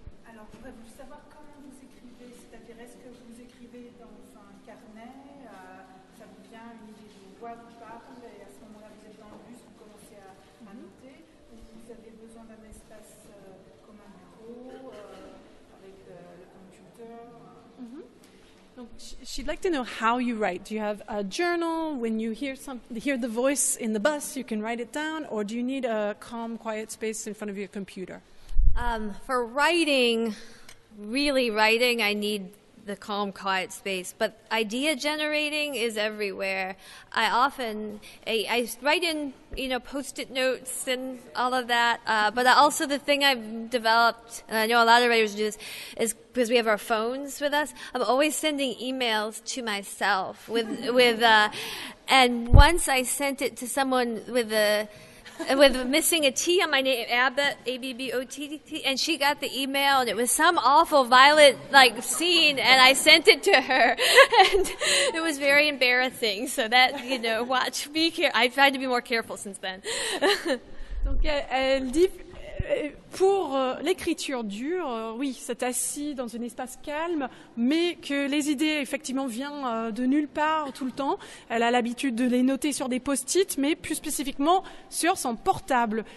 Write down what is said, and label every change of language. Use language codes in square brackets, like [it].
[fr] Alors, je voudrais savoir comment vous écrivez, c'est-à-dire est-ce que vous écrivez dans un carnet, ça vous vient une idée de voix vous parle et à ce moment-là vous êtes dans le bus, vous commencez à noter, ou vous avez besoin d'un espace comme un bureau avec le computer. [en] Donc, she'd like to know how you write. Do you have a journal? When you hear the voice in the bus, you can write it down, or do you need a calm, quiet space in front of your computer? For writing, really writing, I need the calm, quiet space. But idea generating is everywhere. I often I write in, you know, post-it notes and all of that. But also the thing I've developed, and I know a lot of writers do this, is because we have our phones with us, I'm always sending emails to myself with and once I sent it to someone with missing a T on my name, Abbott, A-B-B-O-T-T, and she got the email, and it was some awful, violent, like, scene, and I sent it to her, and it was very embarrassing, so that, you know, watch, be careful. I've tried to be more careful since then. [fr] Donc, elle dit, pour l'écriture dure, oui, c'est assis dans un espace calme, mais que les idées, effectivement, viennent de nulle part tout le temps. Elle a l'habitude de les noter sur des post-it, mais plus spécifiquement sur son portable.